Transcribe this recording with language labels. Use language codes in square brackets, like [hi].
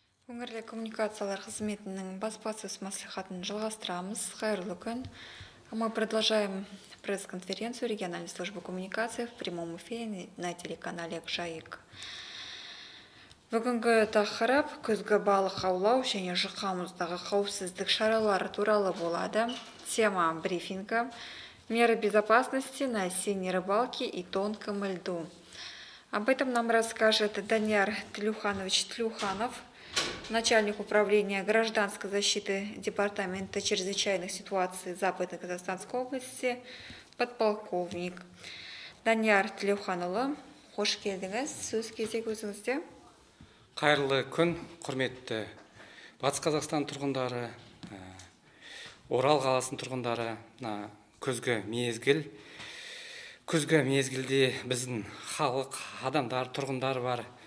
[kk] Өңірлік коммуникациялар қызметінің баспасөз мәслихатын жалғастырамыз. Қайырлы күн. [ru] Мы продолжаем пресс-конференцию региональной службы коммуникации в прямом эфире на телеканале «Жайык». [kk] Бүгінгі тақырып күзгі балық аулау және жұқа мұздағы қауіпсіздік шаралары туралы болады. [ru] Тема брифинга «Меры безопасности на осенней рыбалке и тонком льду». Об этом нам расскажет Данияр Тлюханович Тлюханов, начальник управления гражданской защиты Департамента чрезвычайных ситуаций Западной Казахстанской области, подполковник. [kk] Данияр Тлюханұлы, қош келдіңіз, сөз кезек өзіңізде. Қайырлы күн, құрметті Батыс Қазақстан тұрғындары, Орал қаласының тұрғындары, күзгі мезгіл. Күзгі мезгілде біздің халық, адамдар, тұрғындар бар.